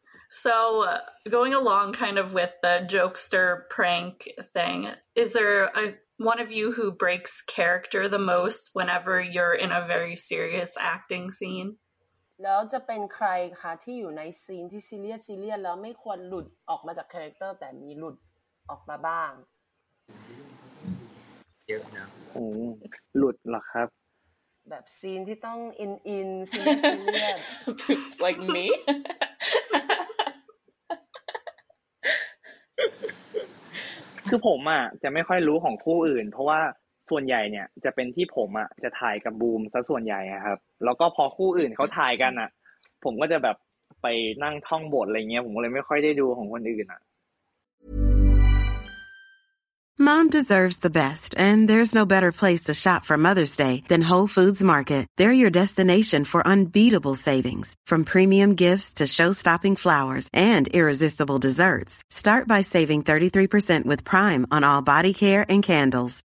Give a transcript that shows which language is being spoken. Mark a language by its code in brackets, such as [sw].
[en] So going along kind of with the jokester prank thing, is there one of you who breaks character the most whenever you're in a very serious acting scene? [th] แล้วจะเป็นใครคะที่อยู่ในซีนที่ซีเรียสแล้วไม่ควรหลุดออกมาจากคาแรคเตอร์แต่มีหลุดออกมาบ้าง เยอะนะ โอ้หลุดเหรอครับ แบบซีนที่ต้องอินซีเรียส [en] like me [th] คือผมอ่ะจะไม่ค่อยรู้ของคู่อื่นเพราะว่าส่วนใหญ่เนี่ยจะเป็นที่ผมอ่ะจะถ่ายกับบูมซะส่วนใหญ่อ่ะครับแล้วก็พอคู่อื่นเค้าถ่ายกันอ่ะผมก็จะแบบไปนั่งท่องบทอะไรเงี้ยผมก็เลยไม่ค่อยได้ดูของคนอื่นอ่ะ [en] Mom deserves the best, and there's no better place to shop for Mother's Day than Whole Foods Market. They're your destination for unbeatable savings, from premium gifts to show-stopping flowers and irresistible desserts. Start by saving 33% with Prime on all body care and candles.